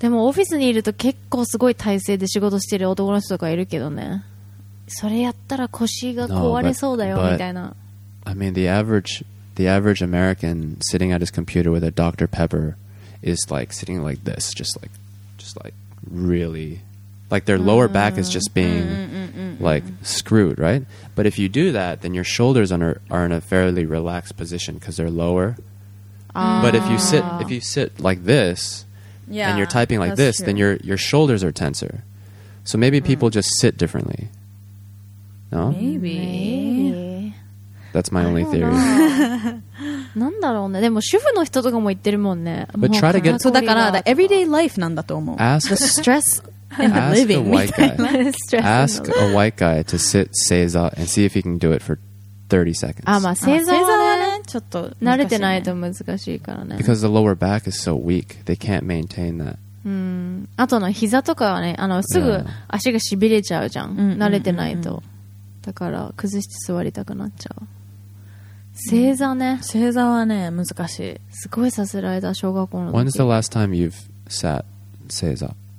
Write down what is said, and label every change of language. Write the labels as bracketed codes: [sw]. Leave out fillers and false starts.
[ja] でもオフィスにいると結構すごい体勢で仕事してる男の人とかいるけどね。それやったら腰が壊れそうだよ、 [en] no, but, [ja] みたいな。 [en] I mean the average American sitting at his computer with a Dr. Pepper is like sitting like this, just like really like their lower back is just being like screwed, right? But if you do that, then your shoulders are in a fairly relaxed position because they're lower. But if you sit like this and you're typing like this, then your shoulders are tenser. So maybe people just sit differently. No? Maybe. That's my only theory. [ja] なんだろうね。でも主婦の人とかも言ってるもんね。 [en] But try to get [ja] そうだから [en] the everyday life [ja] なんだと思う。 [en] Ask the stress and the living. Ask a white guy to sit seiza and see if he can do it for 30 seconds. [ja] あ、まあ seiza はね、ちょっと慣れてないと難しいからね。 Because the lower back is so weak, they can't maintain that. あとの膝とかはね、すぐ足がしびれちゃうじゃん。慣れてないと。だから崩して座りたくなっちゃう。正座ね。正座はね難しい。すごいさせられた小学校の時。 [en] When's the last time you've sat 正座？